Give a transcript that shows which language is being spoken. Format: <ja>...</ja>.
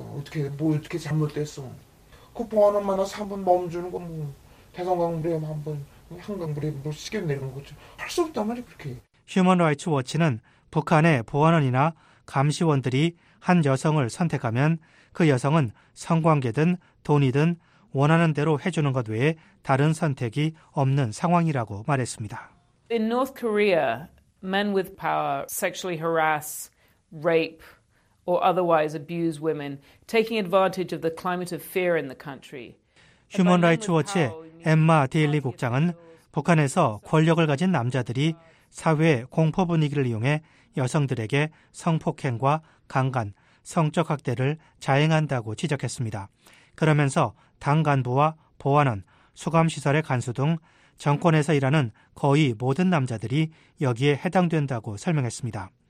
<ko>어떻게 잘못됐어? 그 보안원 만나서 한번 멈추는 거 대성강물에 한번 한강물에 뭐 시계 내리는 거죠. 할 수 없단 말이야 그렇게. 휴먼 라이츠 워치는 북한의 보안원이나 감시원들이 한 여성을 선택하면 그 여성은 성관계든 돈이든 원하는 대로 해주는 것 외에 다른 선택이 없는 상황이라고 말했습니다.</ko> <en>In North Korea, men with power sexually harass, rape, or otherwise abuse women, taking advantage of the climate of fear in the country.</en> <ko>휴먼 라이츠 워치의 엠마 데일리 국장은 북한에서 권력을 가진 남자들이 사회의 공포 분위기를 이용해 여성들에게 성폭행과 강간, 성적 학대를 자행한다고 지적했습니다. 그러면서 당 간부와 보안원, 수감시설의 간수 등 정권에서 일하는 거의 모든 남자들이 여기에 해당된다고 설명했습니다.</ko>